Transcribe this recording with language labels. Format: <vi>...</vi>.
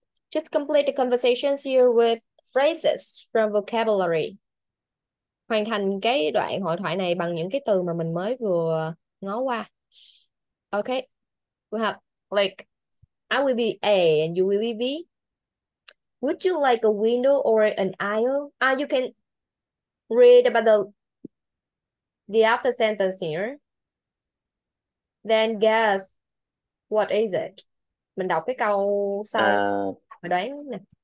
<en>Just complete the conversations here with phrases from vocabulary.</en> <vi>hoàn thành cái đoạn hội thoại này bằng những cái từ mà mình mới vừa ngó qua.</vi> <en>Okay, we have like I will be A and you will be B. Would you like a window or an aisle? You can read about the after sentence here. Then guess what is it?</en> <vi>Mình đọc cái câu sau và đoán nè.</vi>